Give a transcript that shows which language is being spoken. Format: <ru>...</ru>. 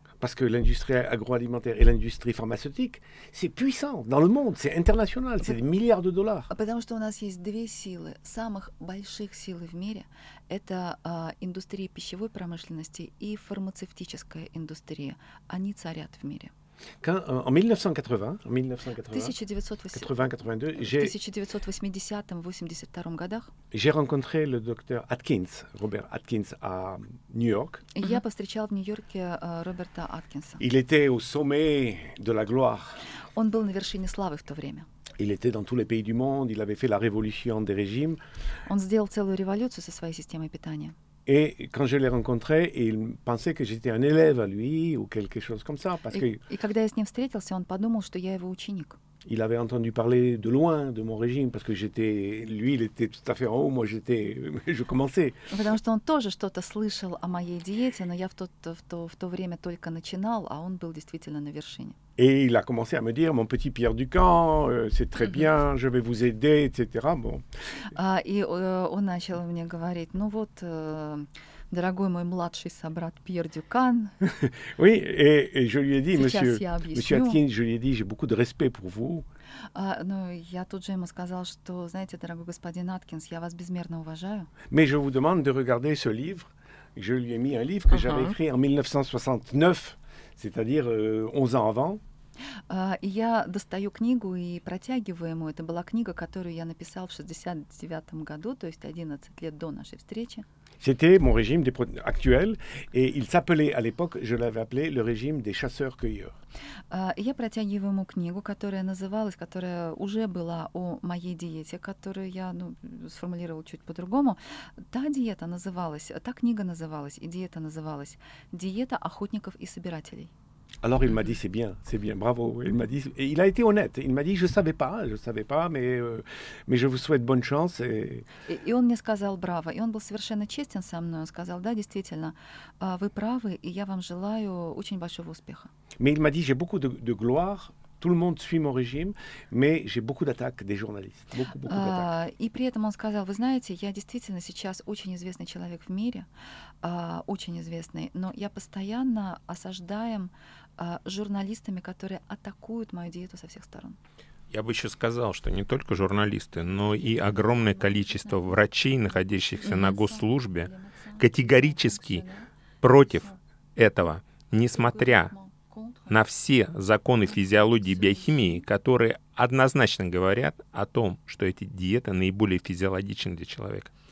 <fr>Parce que l'industrie agroalimentaire et l'industrie pharmaceutique, c'est puissant dans le monde, c'est international, c'est des milliards de dollars.</fr> <ru>Потому что у нас есть две силы, самых больших силы в мире. Это индустрия пищевой промышленности и фармацевтическая индустрия. Они царят в мире.</ru> <fr>Quand, en 1980, 1982 j'ai rencontré le docteur Atkins, Robert Atkins, à New York.</fr> <ru>Я повстречал в Нью-Йорке Роберта Аткинса.</ru> <fr>Il était au sommet de la gloire.</fr> <ru>Он был на вершине славы в то время.</ru> <fr>Il était dans tous les pays du monde, il avait fait la révolution des régimes.</fr> <ru>Он сделал целую революцию со своей системой питания.</ru> <fr>Et quand je l'ai rencontré, il pensait que j'étais un élève à lui ou quelque chose comme ça. Parce que et quand je l'ai rencontré, il pensait que j'étais son</fr> <ru>ученик.</ru> <fr>Il avait entendu parler de loin de mon régime parce que j'étais, lui, il était tout à fait en haut, moi, j'étais, je commençais.</fr> <ru>Потому что он тоже что-то слышал о моей диете, но я в то время только начинал, а он был действительно на вершине.</ru> <fr>Et il a commencé à me dire, mon petit Pierre Dukan, c'est très bien, je vais vous aider, etc. Bon.</fr> <ru>Он начал мне говорить, ну вот. Дорогой мой младший собрат Пьер Дюкан.</ru> <fr>Oui, et je lui ai dit, monsieur Atkins, je lui ai dit, j'ai beaucoup de respect pour vous.</fr> <ru>Ну, я тут же ему сказал, что, знаете, дорогой господин Аткинс, я вас безмерно уважаю.</ru> <fr>Mais je vous demande de regarder ce livre. Je lui ai mis un livre que j'avais écrit en 1969. c'est-à-dire 11 ans avant.</fr> <ru>Я достаю книгу и протягиваю ему. Это была книга, которую я написал в 69-м году, то есть 11 лет до нашей встречи.</ru> <fr>C'était mon régime actuel, et il s'appelait à l'époque, je l'avais appelé le régime des chasseurs-cueilleurs.</fr> <ru>Я протягиваю ему книгу, которая называлась, которая уже была о моей диете, которую я, ну, сформулировал чуть по-другому. Та диета называлась, та книга называлась, и диета называлась «Диета охотников и собирателей».</ru> <fr>Alors il m'a dit c'est bien, bravo. Il m'a dit, et il a été honnête. Il m'a dit je savais pas, mais je vous souhaite bonne chance.</fr> <ru>И он мне сказал браво. И он был совершенно честен со мной. Он сказал да, действительно, вы правы, и я вам желаю очень большого успеха.</ru> <fr>Mais il m'a dit j'ai beaucoup de gloire. Tout le monde suit mon régime, mais j'ai beaucoup d'attaques des journalistes. Beaucoup, beaucoup d'attaques.</fr> <ru>И при этом он сказал, вы знаете, я действительно сейчас очень известный человек в мире, очень известный, но я постоянно осаждаем журналистами, которые атакуют мою диету со всех сторон. Я бы еще сказал, что не только журналисты, но и огромное количество врачей, находящихся на госслужбе, категорически против этого, несмотря на все законы физиологии и биохимии, которые однозначно говорят о том, что эти диеты наиболее физиологичны для человека.</ru>